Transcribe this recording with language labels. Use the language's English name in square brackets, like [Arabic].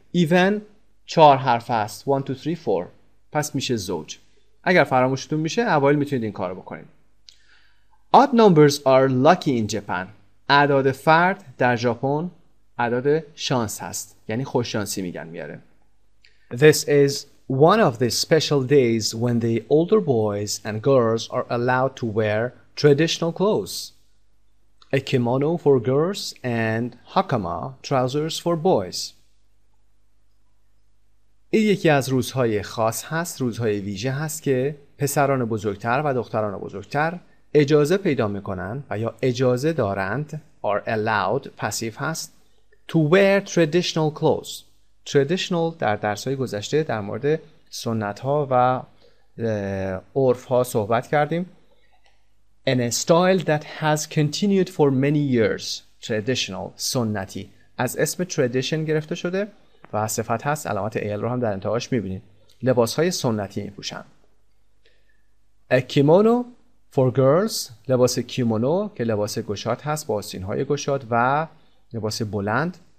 [Persian] even 4 حرف است، 1, 2, 3, 4 پس میشه زوج. اگر فراموشتون میشه اوایل میتونید این کارو بکنید. [English] Odd numbers are lucky in Japan. [Persian] اعداد فرد در ژاپن اعداد شانس هست. یعنی خوش شانسی میگن میاره. [English] This is one of the special days when the older boys and girls are allowed to wear traditional clothes. A kimono for girls and hakama trousers for boys. [Persian] این یکی از روزهای خاص هست، روزهای ویژه هست که پسران بزرگتر و دختران بزرگتر اجازه پیدا میکنن و یا اجازه دارند، [English] are allowed [Persian] پسیف هست، [English] to wear traditional clothes. [Persian] traditional در درسهای گذشته در مورد سنتها و عرفها صحبت کردیم. [English] in a style that has continued for many years. [Persian] traditional سنتی از اسم tradition گرفته شده و صفت هست، علامت ال رو هم در انتهاش میبینید. لباس های سنتی میپوشن. [English] A kimono for girls، [Persian] لباس کیمونو که لباس گشاد هست با آستین های گشاد و لباس بلند.